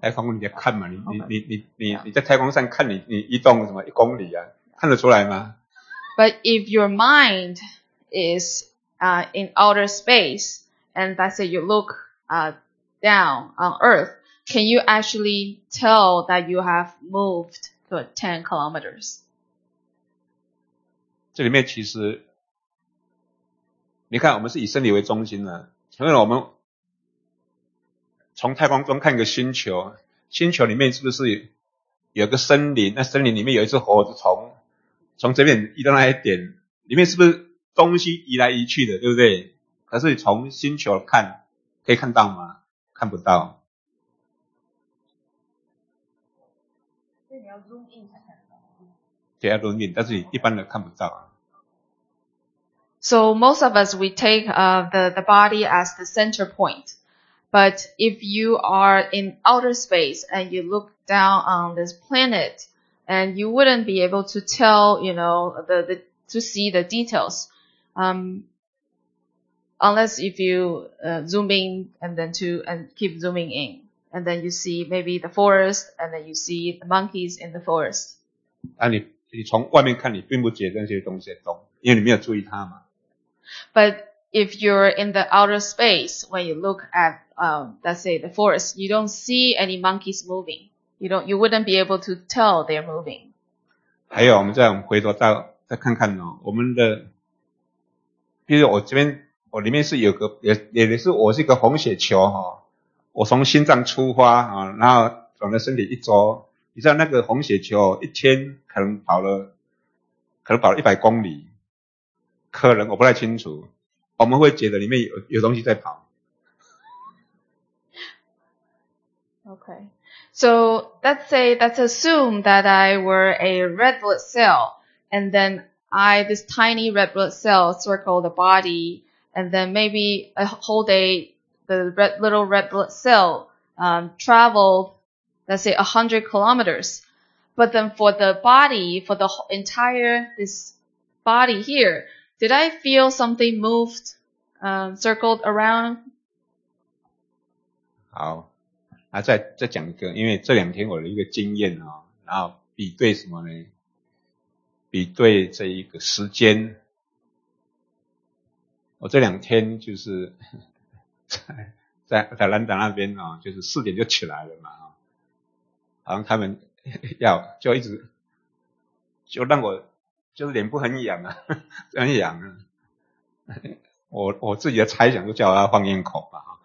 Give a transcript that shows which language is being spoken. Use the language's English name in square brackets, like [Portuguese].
[Chinese] 太空你在看嘛，你在太空上看你移动什么一公里啊。看得出来吗? [English] But if your mind is in outer space, and let's say you look down on Earth, can you actually tell that you have moved to 10 kilometers? [Chinese] 这里面其实，你看，我们是以身体为中心的，因为我们从太空中看一个星球，星球里面是不是有个森林？那森林里面有一只火虫。从这边移到那一点，里面是不是东西移来移去的，对不对？可是你从星球看，可以看到吗？看不到。所以你要 zoom in 才看到。对，要 zoom in， 但是你一般人看不到。 [English] So most of us we take the body as the center point, but if you are in outer space and you look down on this planet. And you wouldn't be able to tell, you know, to see the details, unless if you, zoom in and keep zooming in. And then you see maybe the forest, and then you see the monkeys in the forest. [Chinese] 但你从外面看，你并不觉得那些东西动，因为你没有注意它嘛。 [English] But if you're in the outer space, when you look at, let's say the forest, you don't see any monkeys moving. You wouldn't be able to tell they're moving. [Chinese] 还有，我们再回头再看看哦，我们的，比如我这边，我里面是有个也是我是一个红血球哈、哦，我从心脏出发啊、哦，然后转了身体一周，你知道那个红血球一天可能跑了100公里，可能我不太清楚，我们会觉得里面有东西在跑。 [English] Okay. So let's assume that I were a red blood cell, and then this tiny red blood cell circle the body, and then maybe a whole day, little red blood cell traveled, let's say 100 kilometers. But then for the body, for the entire this body here, did I feel something moved, circled around? [Chinese] 好。啊、再讲一个，因为这两天我的一个经验、哦、然后比对什么呢？比对这一个时间，我这两天就是在兰达那边、哦、就是4点就起来了嘛，好像他们要就一直就让我就是脸部很痒啊，很痒啊，我自己的猜想就叫他放烟口吧。